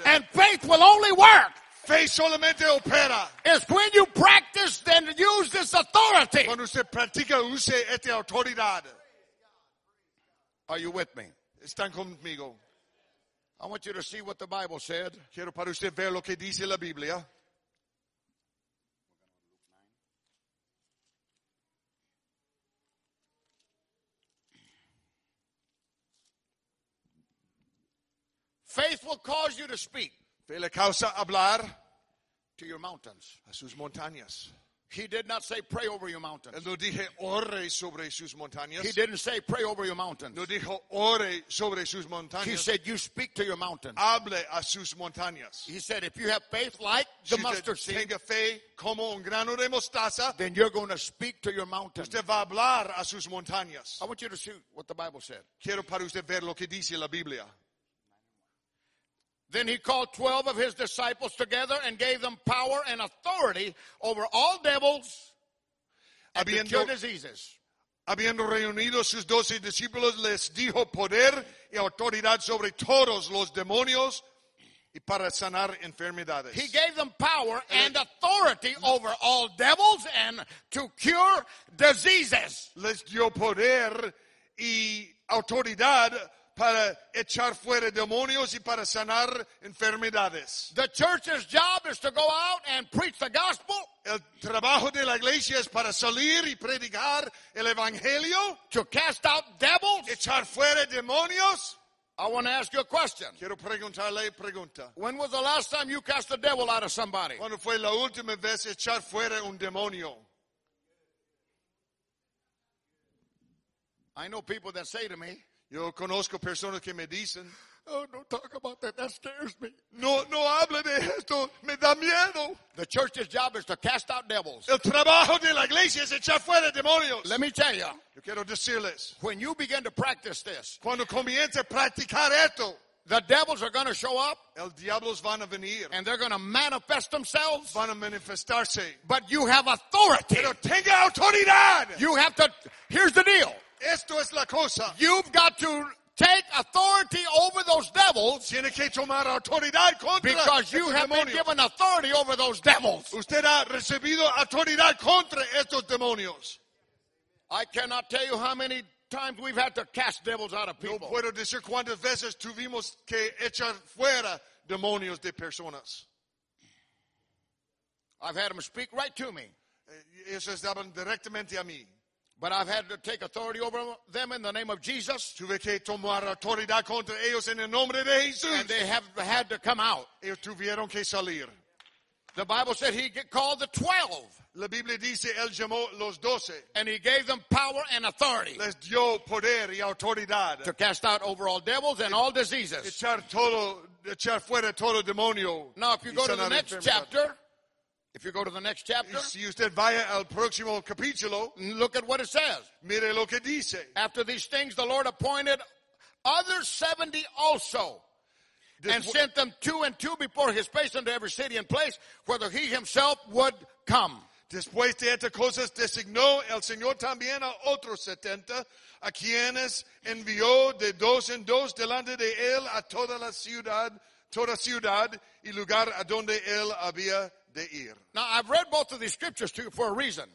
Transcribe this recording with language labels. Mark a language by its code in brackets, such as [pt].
[en] And faith will only work. [es] Fe solamente opera. [en] It's when you practice then use this authority. [es] Cuando usted practica, use esta autoridad. [en] Are you with me? [es] Están conmigo. [en] I want you to see what the Bible said. [es] Quiero para usted ver lo que dice la Biblia. [en] Faith will cause you to speak. [es] Fe le causa hablar. [en] To your mountains. [es] A sus montañas. [en] He did not say pray over your mountains. [es] Él no dije ore sobre sus montañas. [en] He didn't say pray over your mountains. [es] No dijo ore sobre sus montañas. [en] He said you speak to your mountains. [es] Hable a sus montañas. [en] He said if you have faith like the mustard seed. [es] Tenga fe como un grano de mostaza. [en] Then you're going to speak to your mountains. [es] Usted va a hablar a sus montañas. [en] I want you to see what the Bible said. [es] Quiero para usted ver lo que dice la Biblia. [en] Then he called 12 of his disciples together and gave them power and authority over all devils and to cure diseases. [es] Habiendo reunido sus 12 discípulos, les dijo poder y autoridad sobre todos los demonios y para sanar enfermedades. [en] He gave them power and authority over all devils and to cure diseases. [es] Les dio poder y autoridad para echar fuera demonios y para sanar enfermedades. [en] The church's job is to go out and preach the gospel. [es] El trabajo de la iglesia es para salir y predicar el evangelio. [en] To cast out devils. [es] Echar fuera demonios. [en] I want to ask you a question. [es] Quiero preguntarle pregunta. [en] When was the last time you cast a devil out of somebody? [es] ¿Cuándo fue la última vez echar fuera un demonio? [en] I know people that say to me, [es] yo conozco personas que me dicen, [en] oh, don't talk about that. That scares me. [es] No hable de esto. Me da miedo. [en] The church's job is to cast out devils. [es] El trabajo de la iglesia es echar fuera demonios. [en] Let me tell you. [es] Yo quiero decirles. [en] When you begin to practice this. [es] Cuando comienza a practicar esto. [en] The devils are going to show up. [es] El diablos van a venir. [en] And they're going to manifest themselves. [es] Van a manifestarse. [en] But you have authority. [es] Pero tenga autoridad. [en] You have to. Here's the deal. [es] Esto es la cosa. [en] You've got to take authority over those devils. [es] Tiene que tomar autoridad contra [en] because you have [es] demonios. [en] Been given authority over those devils. [es] Usted ha recibido autoridad contra estos demonios. [en] I cannot tell you how many times we've had to cast devils out of people. [es] No puedo decir cuántas veces tuvimos que echar fuera demonios de personas. [en] I've had them speak right to me. [es] Ellos estaban directamente a mí. [en] But I've had to take authority over them in the name of Jesus. [es] Tuve que tomar autoridad contra ellos en el nombre de Jesús. [en] And they have had to come out. [es] Ellos tuvieron que salir. [en] The Bible said he called the 12. [es] La Biblia dice él llamó los 12. [en] And he gave them power and authority. [es] Les dio poder y autoridad. [en] To cast out over all devils and all diseases. [es] Echar fuera todo demonio. [en] Now if you go to the next chapter. If you go to the next chapter, [es] si usted vaya al próximo capítulo, [en] look at what it says. [es] Mire lo que dice. [en] After these things, the Lord appointed other 70 also, and sent them two and two before his face unto every city and place, whether he himself would come. [es] Después de estas cosas, designó el Señor también a otros 70, a quienes envió de dos en dos delante de él a toda ciudad y lugar a donde él había de ir. [en] Now I've read both of these scriptures too for a reason.